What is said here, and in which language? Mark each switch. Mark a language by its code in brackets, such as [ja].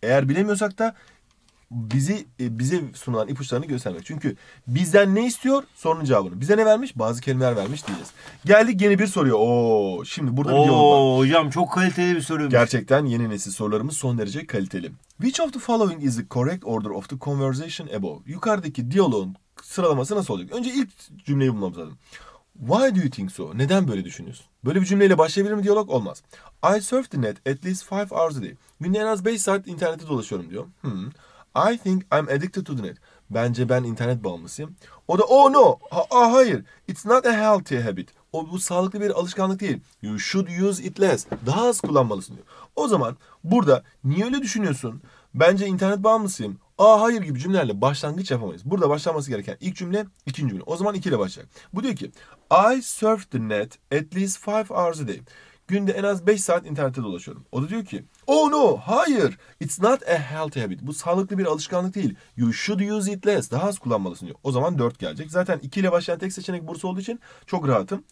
[tr] Eğer bilemiyorsak da bize sunulan ipuçlarını göstermek. Çünkü bizden ne istiyor? Sorunun cevabını. Bize ne vermiş? Bazı kelimeler vermiş diyeceğiz. Geldik yeni bir soruya. Oo, şimdi burada bir diyalog var. Hocam çok kaliteli bir soruymuş. Gerçekten yeni nesil sorularımız son derece kaliteli. [en] Which of the following is the correct order of the conversation above? [tr] Yukarıdaki diyalogun sıralaması nasıl olacak? Önce ilk cümleyi bulmamız lazım. [en] Why do you think so? [tr] Neden böyle düşünüyorsun? Böyle bir cümleyle başlayabilir mi diyalog? Olmaz. [en] I surf the net at least 5 hours a day. [tr] Günde en az 5 saat internette dolaşıyorum diyor. [en] I think I'm addicted to the net. [tr] Bence ben internet bağımlısıyım. O da [en] oh no. [tr] Hayır. [en] It's not a healthy habit. [tr] O bu sağlıklı bir alışkanlık değil. [en] You should use it less. [tr] Daha az kullanmalısın diyor. O zaman burada niye öyle düşünüyorsun? Bence internet bağımlısıyım. Hayır gibi cümlelerle başlangıç yapamayız. Burada başlanması gereken ilk cümle, ikinci cümle. O zaman ikiyle başlayacak. Bu diyor ki [en] I surf the net at least 5 hours a day. [tr] Günde en az 5 saat internette dolaşıyorum. O da diyor ki [en] oh no, [tr] hayır. [en] It's not a healthy habit. [tr] Bu sağlıklı bir alışkanlık değil. [en] You should use it less. [tr] Daha az kullanmalısın diyor. O zaman 4 gelecek. Zaten 2 ile başlayan tek seçenek bursa olduğu için çok rahatım.